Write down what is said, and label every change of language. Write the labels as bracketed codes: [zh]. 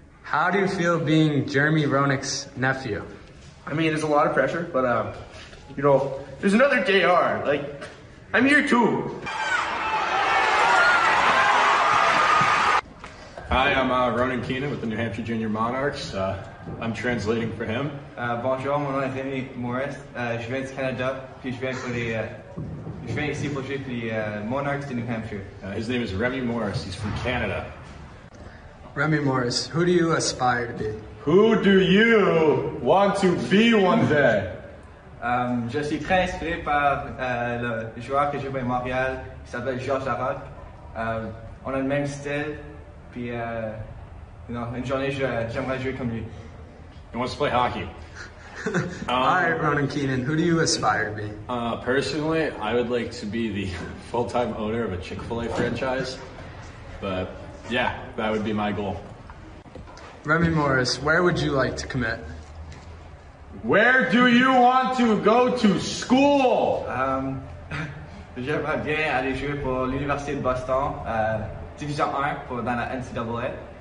[en] How do you feel being Jeremy Roenick's nephew? I mean, there's a lot of pressure, but, you know, there's another JR. Like, I'm here too. Hi, I'm Ronan Keenan with the New Hampshire Junior Monarchs. I'm translating for him. [fr] Bonjour, mon nom est Jeremy Morris. Je viens du Canada, puis je viens ici pour les Monarchs de New Hampshire. [en] His name is Remy Morris. He's from Canada. Remy Morris, who do you aspire to be? Who do you want to be one day? [fr] Je suis très inspiré par le joueur que j'ai joué à Montréal, qui s'appelle Georges Larocque. On a le même style. [en] He wants to play hockey. Hi, Ronan Keenan. Who do you aspire to be? Personally, I would like to be the full-time owner of a Chick-fil-A franchise. But, yeah, that would be my goal. Remy Morris, where would you like to commit? Where do you want to go to school? [fr] J'aimerais bien aller jouer pour l'Université de Boston. Division 1 pour dans la NCAA.